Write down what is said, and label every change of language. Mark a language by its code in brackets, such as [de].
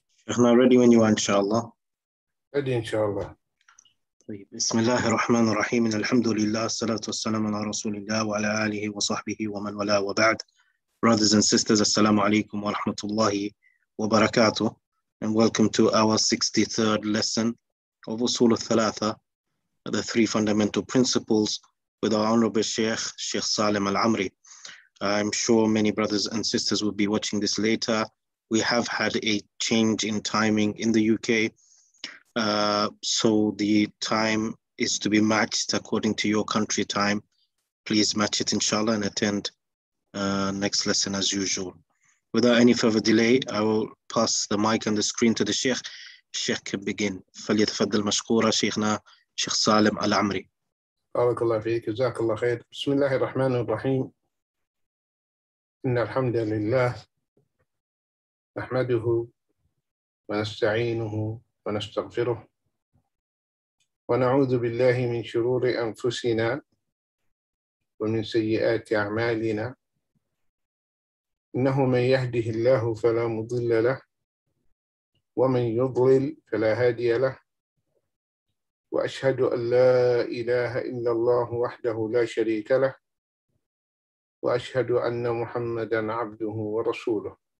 [ar] احنا [en] ready when you want [ar] ان شاء الله. أدي إن شاء الله. طيب، بسم الله الرحمن الرحيم. الحمد لله، الصلاة والسلام على رسول الله وعلى آله وصحبه ومن ولا وبعد. [en] Brothers and sisters, [ar] السلام عليكم ورحمة الله وبركاته. [en] And welcome to our 63rd lesson of أصول الثلاثة, the three fundamental principles, with our honorable Sheikh, Sheikh Salim Al-Amri. I'm sure many brothers and sisters will be watching this later. We have had a change in timing in the UK. So the time is to be matched according to your country time. Please match it, inshallah, and attend next lesson as usual. Without any further delay, I will pass the mic and the screen to the Sheikh. Sheikh can begin. [ar] فليتفضل مشكورا شيخنا شيخ سالم العمري. بارك الله فيك، جزاك الله خير. بسم الله الرحمن الرحيم. إن الحمد لله. نحمده ونستعينه ونستغفره ونعوذ بالله من شرور أنفسنا ومن سيئات أعمالنا، إنه من يهده الله فلا مضل له ومن يضلل فلا هادي له، وأشهد أن لا إله إلا الله وحده لا شريك له، وأشهد أن محمدًا عبده ورسوله.